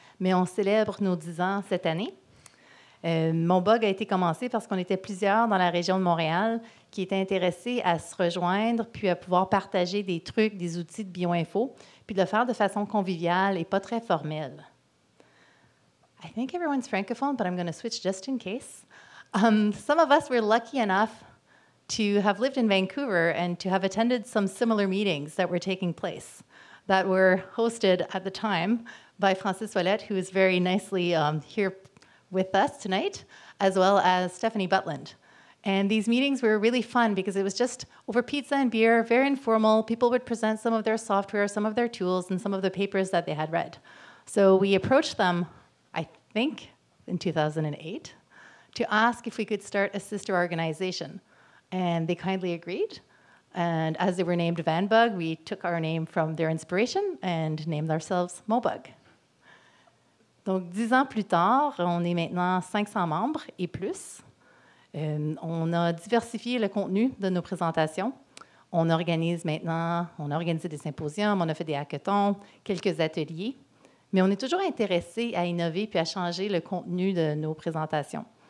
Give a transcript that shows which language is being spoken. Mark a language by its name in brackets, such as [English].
[French] Mais on célèbre nos 10 ans cette année. MonBug a été commencé parce qu'on était plusieurs dans la région de Montréal qui étaient intéressés à se rejoindre puis à pouvoir partager des trucs, des outils de bioinfo puis de le faire de façon conviviale et pas très formelle. [English] I think everyone's francophone, but I'm going to switch just in case. Some of us were lucky enough to have lived in Vancouver and to have attended some similar meetings that were taking place that were hosted at the time by Francis Ouellette, who is very nicely here with us tonight, as well as Stephanie Butland. And these meetings were really fun because it was just over pizza and beer, very informal. People would present some of their software, some of their tools, and some of the papers that they had read. So we approached them, I think, in 2008, to ask if we could start a sister organization. And they kindly agreed. And as they were named VanBug, we took our name from their inspiration and named ourselves MoBug. [French] Donc, 10 ans plus tard, on est maintenant 500 membres et plus. On a diversifié le contenu de nos présentations. On organise maintenant, on a organisé des symposiums, on a fait des hackathons, quelques ateliers. Mais on est toujours intéressé à innover puis à changer le contenu de nos présentations.